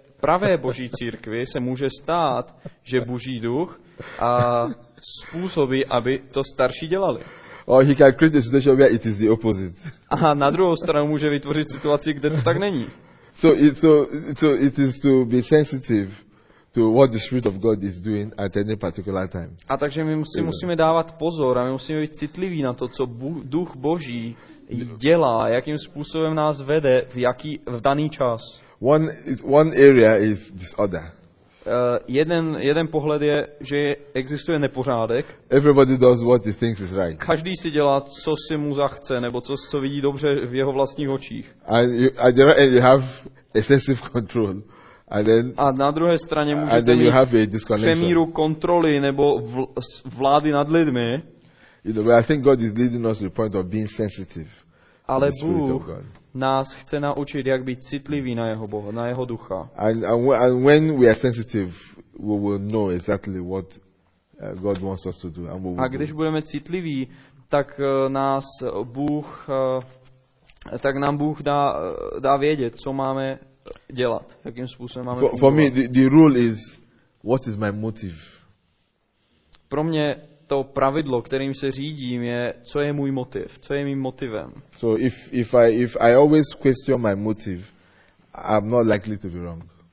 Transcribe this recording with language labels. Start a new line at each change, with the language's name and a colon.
Czech: pravé boží církvi se může stát, že boží duch a způsobí, aby to starší dělali.
English: Or he can create a situation where it is the opposite.
Czech: A na druhou stranu může vytvořit situaci, kde to tak není.
English: So it is to be sensitive to what the Spirit of God is doing at any particular time.
Czech: A takže my musíme dávat pozor a my musíme být citliví na to, co duch boží dělá, jakým způsobem nás vede v daný čas.
English: One area is disorder.
Czech: Jeden pohled je, že existuje nepořádek.
English: Everybody does what he thinks is right.
Czech: Každý si dělá, co si mu zachce, nebo co vidí dobře v jeho vlastních očích.
English: And you have excessive control. And then,
Czech: a na druhé straně můžete mít přemíru kontroly nebo vlády nad lidmi.
English: You know, but I think God is leading us to the point of being sensitive.
Czech: Ale Bůh nás chce naučit, jak být citlivý na jeho Boha, na jeho ducha.
English: And when we are sensitive, we will know exactly what God wants us to do. And what
Czech: a když budeme citliví, tak nás Bůh, tak nám Bůh dá vědět, co máme dělat, jakým způsobem máme.
English: For me, the rule is, what is my motive?
Czech: Pro mě to pravidlo, kterým se řídím, je, co je můj motiv, co je mým motivem.
English: So if I always question my motive, I'm not likely to be wrong.